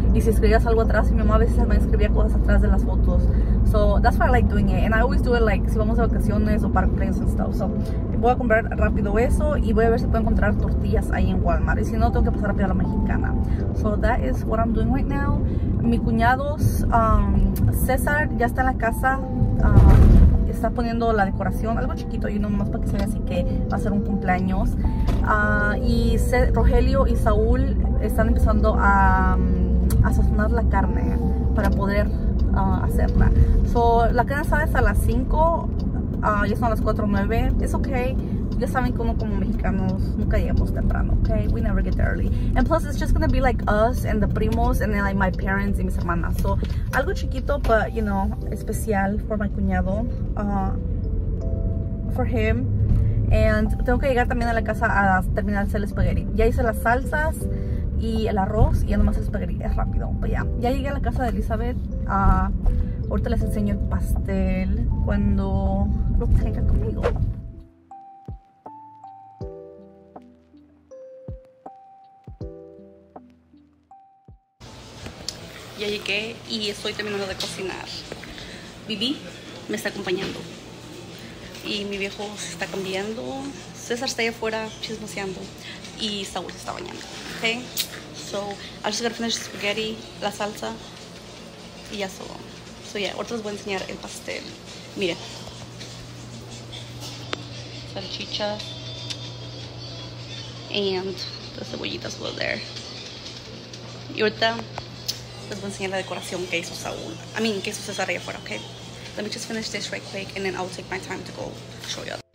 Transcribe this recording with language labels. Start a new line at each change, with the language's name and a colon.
Spanish: Y si escribías algo atrás, y mi mamá a veces me escribía cosas atrás de las fotos.
English: So, that's why I like doing it. And I always do it, like,
Spanish: si vamos de vacaciones o para cumpleaños
English: and stuff.
Spanish: So, voy a comprar rápido eso y voy a ver si puedo encontrar tortillas ahí en Walmart. Y si no, tengo que pasar rápido a la mexicana.
English: So, that is what I'm doing right now.
Spanish: Mi cuñado, César, ya está en la casa. Está poniendo la decoración, algo chiquito y uno más para que se vea así que va a ser un cumpleaños. Y Rogelio y Saúl están empezando a sazonar la carne para poder hacerla. So, la carne asada es a las 5, ya son a las 4:09. Es ok. Ya saben cómo como mexicanos nunca llegamos temprano, ok?
English: We never get there early. And plus, it's just gonna be like us and the primos and then like my parents
Spanish: y mis hermanas.
English: So,
Spanish: algo chiquito,
English: but you know, especial for my cuñado, for him. And
Spanish: tengo que llegar también a la casa a terminar el espagueti. Ya hice las salsas y el arroz y ya nomás el espagueti. Es rápido, pero ya. Ya llegué a la casa de Elizabeth. Ahorita les enseño el pastel cuando lo tenga conmigo. Ya llegué y estoy terminando de cocinar. Bibi, me está acompañando. Y mi viejo se está cambiando. César está allá afuera chismoseando. Y Saúl se está bañando. Ok.
English: So, I'm just gonna finish the spaghetti,
Spanish: la salsa. Y ya solo.
English: So, yeah,
Spanish: ahorita les voy a enseñar el pastel. Miren. Salchicha.
English: And the cebollitas were there.
Spanish: Y ahorita les voy a enseñar la decoración que hizo Saúl.
English: I mean,
Spanish: que hizo César allá afuera, ok.
English: Let me just finish this right quick and then I'll take my time to go show you.